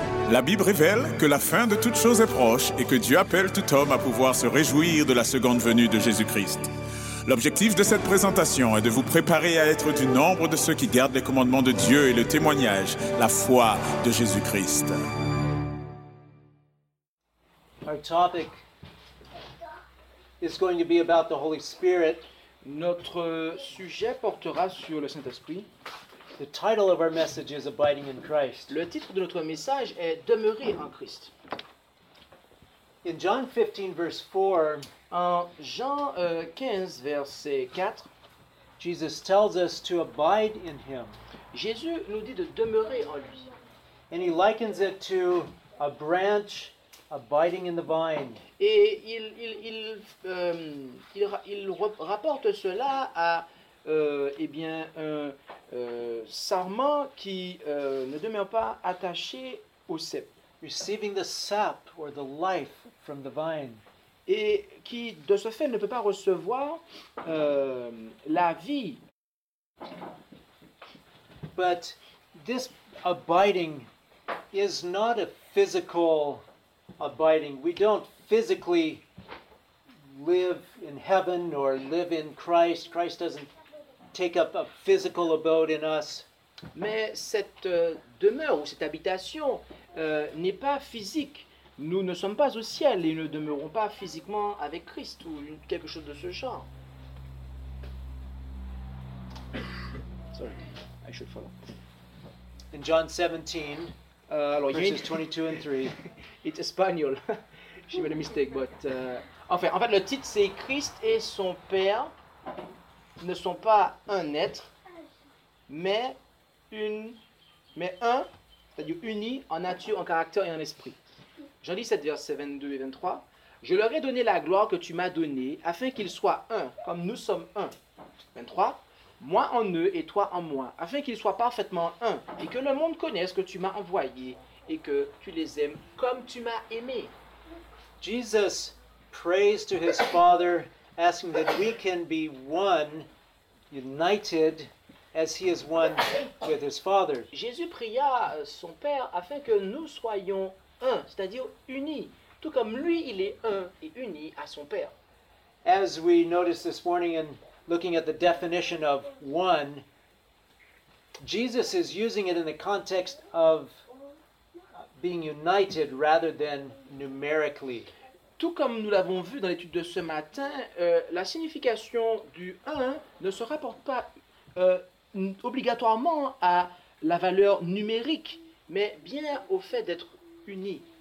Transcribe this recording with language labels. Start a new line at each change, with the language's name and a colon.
French: La Bible révèle que la fin de toutes choses est proche et que Dieu appelle tout homme à pouvoir se réjouir de la seconde venue de Jésus-Christ. L'objectif de cette présentation est de vous préparer à être du nombre de ceux qui gardent les commandements de Dieu et le témoignage, la foi de Jésus-Christ.
English: Our topic is going to be about the Holy Spirit.
French: Notre sujet portera sur le Saint-Esprit.
English: The title of our message is Abiding in Christ.
French: Le titre de notre message est Demeurer en Christ.
English: In John 15, verse 4,
French: en Jean 15, verset 4,
English: Jesus tells us to abide in him.
French: Jésus nous dit de demeurer en lui.
English: And he likens it to a branch abiding in the vine.
French: Et il rapporte cela à un sarment qui ne demeure pas attaché au cep.
English: Receiving the sap or the life from the vine.
French: Et qui de ce fait ne peut pas recevoir la vie.
English: But this abiding is not a physical abiding. We don't physically live in heaven or live in Christ. Christ doesn't take up a physical abode in us.
French: Mais cette demeure ou cette habitation n'est pas physique. Nous ne sommes pas au ciel et nous ne demeurons pas physiquement avec Christ ou quelque chose de ce genre.
English: Sorry, I should follow. In John 17,
French: alors,
English: verses 22 and 3. It's espagnol. She made a mistake, but...
French: En fait, le titre, c'est Christ et son Père ne sont pas un être, mais un, c'est-à-dire uni en nature, en caractère et en esprit. Jean 17, versets 22 et 23. Je leur ai donné la gloire que tu m'as donnée, afin qu'ils soient un, comme nous sommes un. 23. Moi en eux et toi en moi, afin qu'ils soient parfaitement un, et que le monde connaisse que tu m'as envoyé, et que tu les aimes comme tu m'as aimé.
English: Jesus prays to his Father, asking that we can be one, united, as he is one with his Father.
French: Jésus pria son Père afin que nous soyons un, c'est-à-dire unis, tout comme lui, il est un et uni à son Père.
English: As we noticed this morning in looking at the definition of one, Jesus is using it in the context of being united rather than numerically.
French: Tout comme nous l'avons vu dans l'étude de ce matin, la signification du un ne se rapporte pas obligatoirement à la valeur numérique, mais bien au fait d'être uni.